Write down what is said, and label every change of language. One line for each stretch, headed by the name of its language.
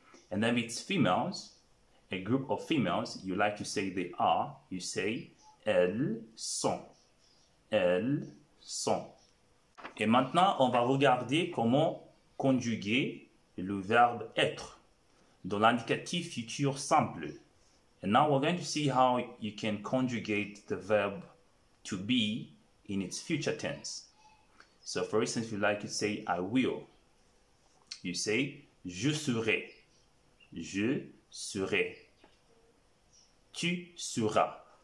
English: And then it's females, a group of females, you like to say they are, you say
French: elles sont. Et maintenant, on va regarder comment conjuguer le verbe être dans l'indicatif futur simple.
English: And now we're going to see how you can conjugate the verb to be in its future tense. So for instance, you like to say, I will. You say,
French: je serai. Je serai. Tu seras.